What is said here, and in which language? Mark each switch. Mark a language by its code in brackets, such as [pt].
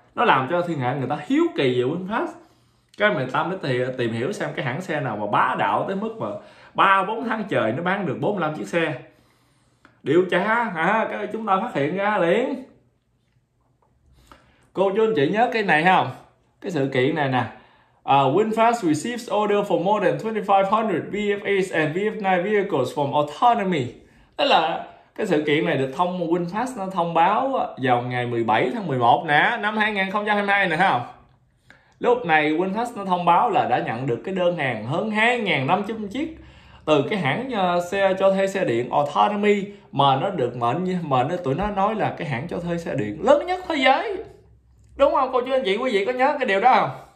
[vi] Nó làm cho thiên hạ người ta hiếu kỳ về VinFast. Cái mình ta mới tìm hiểu xem cái hãng xe nào mà bá đạo tới mức mà 3 4 tháng trời nó bán được 45 chiếc xe. Điều tra hả? Cái chúng ta phát hiện ra liền. Cô chú anh chị nhớ cái này không? Cái sự kiện này nè. [en] VinFast receives order for more than 2500 VFAs and VF9 vehicles from autonomy. [vi] Đó là cái sự kiện này được thông VinFast nó thông báo vào ngày 17 tháng 11 nè năm 2022 nè không. Lúc này VinFast nó thông báo là đã nhận được cái đơn hàng hơn 2.500 chiếc từ cái hãng xe cho thuê xe điện Autonomy mà nó được mệnh tụi nó nói là cái hãng cho thuê xe điện lớn nhất thế giới, đúng không cô chú anh chị quý vị có nhớ cái điều đó không?